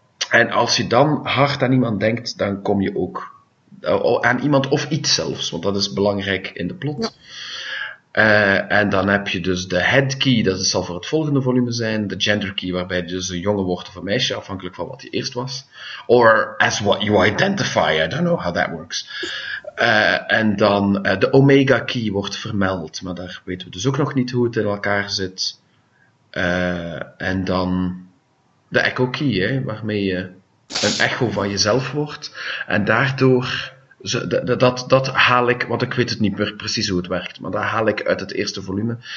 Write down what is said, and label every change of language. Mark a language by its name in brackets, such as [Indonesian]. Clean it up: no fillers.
[Dutch] En als je dan hard aan iemand denkt, dan kom je ook aan iemand of iets zelfs, want dat is belangrijk in de plot. Ja. En dan heb je dus de head key, dat zal voor het volgende volume zijn. De gender key, waarbij je dus een jongen wordt of een meisje, afhankelijk van wat je eerst was. [English] Or as what you identify, I don't know how that works. [Dutch] En dan de omega key wordt vermeld, maar daar weten we dus ook nog niet hoe het in elkaar zit. En dan de echo key, hè, waarmee je een echo van jezelf wordt. En daardoor... Dat haal ik, want ik weet het niet meer precies hoe het werkt, maar dat haal ik uit het eerste volume.